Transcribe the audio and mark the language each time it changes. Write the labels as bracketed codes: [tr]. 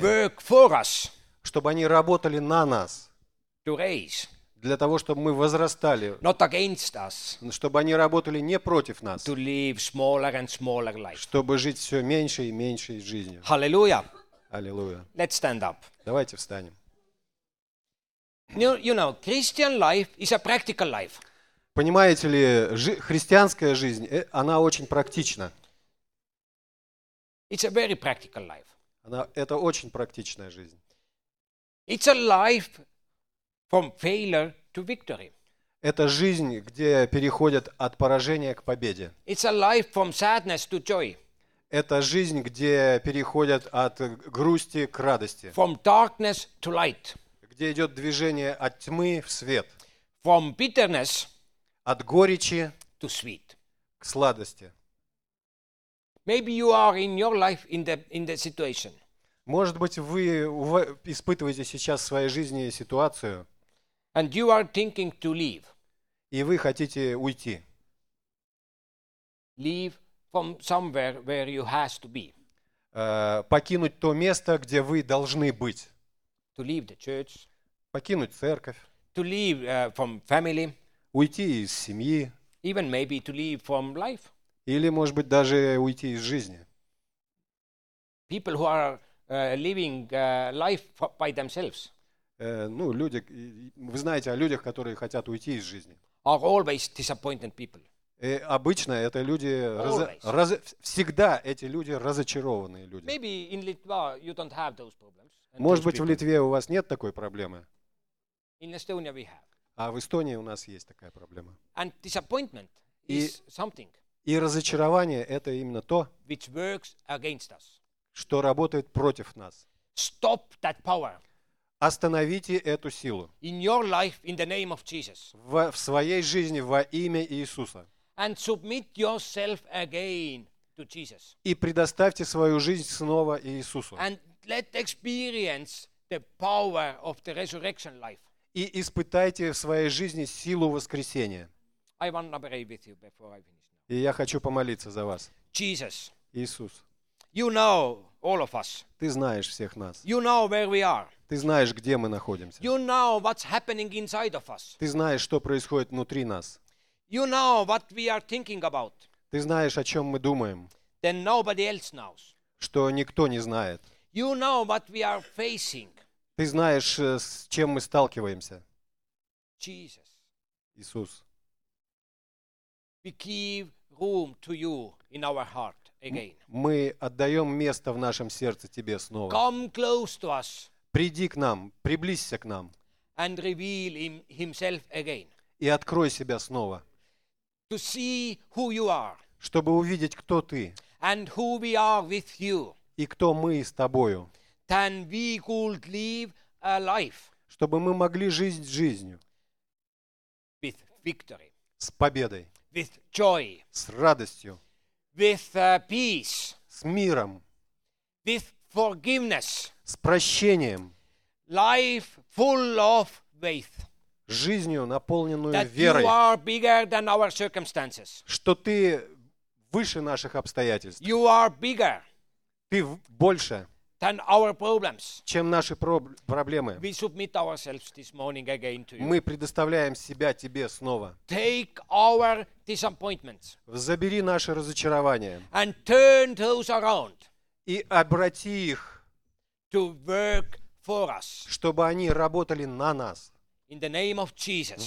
[en] work for us, [ru] чтобы они работали на нас, [en] to raise, [ru] для того, чтобы мы возрастали, [en] not against us, [ru] чтобы они работали не против нас, [en] to live smaller and smaller life, [ru] чтобы жить все меньше и меньше жизнью. [en] Hallelujah. Hallelujah. Let's stand up. [ru] Давайте встанем. [en] You know, Christian life is a practical life. [ru] Понимаете ли, христианская жизнь, она очень практична. [en] It's a very practical life. [ru] Это очень практичная жизнь. [en] It's a life from failure to victory. [ru] Это жизнь, где переходят от поражения к победе. [en] It's a life from sadness to joy. [ru] Это жизнь, где переходят от грусти к радости. [en] From darkness to light. [ru] Где идет движение от тьмы в свет. [en] From bitterness [ru] от горечи [en] to sweet. [ru] К сладости. [en] Maybe you are in your life in the situation. [ru] Может быть, вы испытываете сейчас в своей жизни ситуацию. [en] And you are thinking to leave. [ru] И вы хотите уйти. [en] Leave from somewhere where you have to be. [ru] Покинуть то место, где вы должны быть. [en] To leave the church. [ru] Покинуть церковь. [en] To leave from family. [ru] Уйти из семьи. [en] Even maybe to leave from life. [ru] Или, может быть, даже уйти из жизни. [en] People who are living life by themselves. [ru] Люди, вы знаете о людях, которые хотят уйти из жизни. [en] Are always disappointed people. [ru] И обычно это люди всегда эти люди разочарованные люди. [en] Maybe in Litva you don't have those problems. [ru] Может быть, в Литве у вас нет такой проблемы. [en] In Estonia we have. [ru] А в Эстонии у нас есть такая проблема. [en] And disappointment is something. [ru] И разочарование – это именно то, [en] which works against us, [ru] что работает против нас. [en] Stop that power. [ru] Остановите эту силу [en] in your life, in the name of Jesus. [ru] В своей жизни во имя Иисуса. [en] And submit yourself again to Jesus. [ru] И предоставьте свою жизнь снова Иисусу. [en] And let experience the power of the resurrection life. [ru] И испытайте в своей жизни силу воскресения. [en] I want to pray with you before I finish. [ru] И я хочу помолиться за вас. [en] Jesus, [ru] Иисус. [en] You know all of us. [ru] Ты знаешь всех нас. [en] You know where we are. [ru] Ты знаешь, где мы находимся. [en] You know what's happening inside of us. [ru] Ты знаешь, что происходит внутри нас. [en] You know what we are thinking about. [ru] Ты знаешь, о чем мы думаем. [en] Then nobody else knows. [ru] Что никто не знает. [en] You know what we are facing. [ru] Ты знаешь, с чем мы сталкиваемся. [en] Jesus. [ru] Иисус. [en] We give room to you in our heart again. [ru] Мы отдаем место в нашем сердце тебе снова. [en] Come close to us. [ru] Приди к нам, приблизься к нам. [en] And reveal himself again. [ru] И открой себя снова. [en] To see who you are. [ru] Чтобы увидеть, кто ты. [en] And who we are with you. [ru] И кто мы с тобою. [en] Then we could live a life. [ru] Чтобы мы могли жить жизнью. [en] With victory. [ru] С победой. [en] With joy, [ru] с радостью, [en] with peace, [ru] с миром, [en] with forgiveness, [ru] с прощением, [en] life full of faith, [ru] жизнью, наполненную [en] that [ru] верой, [en] you are bigger than our circumstances, [ru] что ты выше наших обстоятельств, [en] you are bigger, [ru] ты больше, [en] than our problems, [ru] чем наши проблемы. [en] We submit ourselves this morning again to you. [ru] Мы предоставляем себя тебе снова. [en] Take our disappointments. [ru] Забери наши разочарования. [en] And turn those around. [ru] И обрати их. [en] To work for us. [ru] Чтобы они работали на нас. [en] In the name of Jesus.